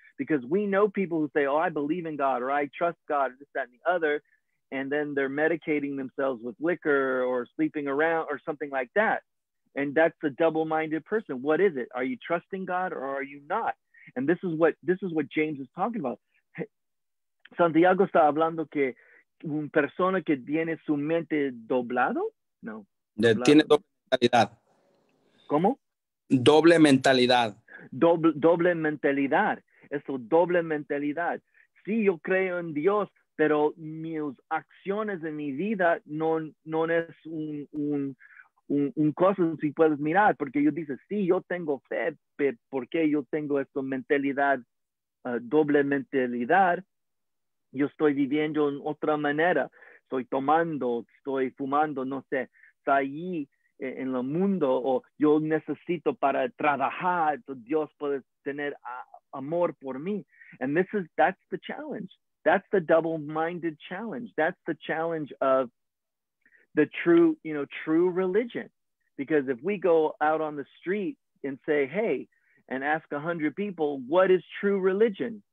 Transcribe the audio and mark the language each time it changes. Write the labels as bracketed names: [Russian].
[English] Because we know people who say, oh, I believe in God, or I trust God, or this, that, and the other, and then they're medicating themselves with liquor or sleeping around or something like that. And that's a double-minded person. What is it? Are you trusting God or are you not? And this is what James is talking about. [Spanish] Santiago está hablando que un persona que tiene su mente doblado, no. Doblado. Tiene doble mentalidad. ¿Cómo? Doble mentalidad. Doble mentalidad. Eso, doble mentalidad. Sí, yo creo en Dios, pero mis acciones en mi vida no es un cosa si puedes mirar, porque yo dices, sí, yo tengo fe, pero ¿por qué yo tengo esta mentalidad, doble mentalidad? Yo estoy viviendo en otra manera. Estoy tomando, estoy fumando, no sé. Está allí en el mundo, o yo necesito para trabajar, Dios puede tener amor por mí. [English] And this is, that's the challenge. That's the double-minded challenge. That's the challenge of the true, you know, true religion. Because if we go out on the street and say, hey, and ask 100 people, what is true religion?